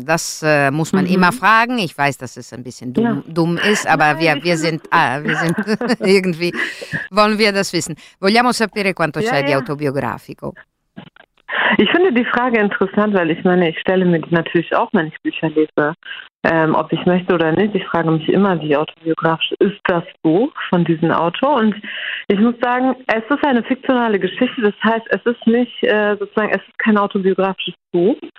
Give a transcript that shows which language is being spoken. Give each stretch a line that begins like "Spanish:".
German: Das muss man immer fragen. Ich weiß, dass es ein bisschen dumm ist, aber wir sind irgendwie, wollen wir das wissen.
Italian: Vogliamo sapere quanto c'è di autobiografico?
German: Ich finde die Frage interessant, weil ich meine, ich stelle mir die natürlich auch, wenn ich Bücher lese. Ob ich möchte oder nicht, ich frage mich immer, wie autobiografisch ist das Buch von diesem Autor? Und ich muss sagen, es ist eine fiktionale Geschichte, das heißt, es ist nicht sozusagen, es ist kein autobiografisches Buch.